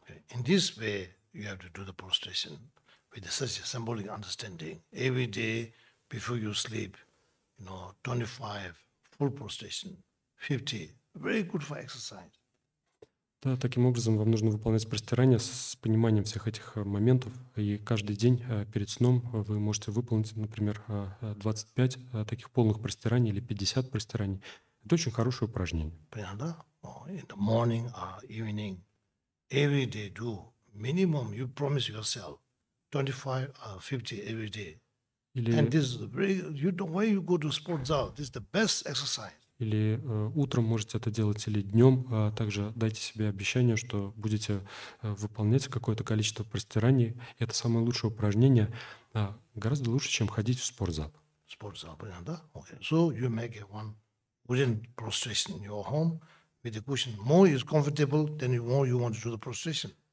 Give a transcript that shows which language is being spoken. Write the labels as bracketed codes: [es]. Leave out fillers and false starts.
[en] In this way you have to do the prostration with such a symbolic understanding. Every day before you sleep, you know, 25 full prostration, 50. Very good for exercise. [ru] Да, таким образом вам нужно выполнять простирание с пониманием всех этих моментов, и каждый день перед сном вы можете выполнить, например, 25 таких полных простираний или 50 простираний. Это очень хорошее упражнение. Понятно? [en] In the morning or evening, every day do minimum. You promise yourself 25 or 50 every day. [ru] Или... [en] And this is very. You know, when you go to sports zone, this is the best exercise. [ru] Или утром можете это делать, или днем. А также дайте себе обещание, что будете выполнять какое-то количество простираний. Это самое лучшее упражнение. А гораздо лучше, чем ходить в спортзал. Спортзал, понятно, да? Okay. [en] So you make one wooden prostration in your home with the cushion. More is comfortable, then more you want to do the prostration.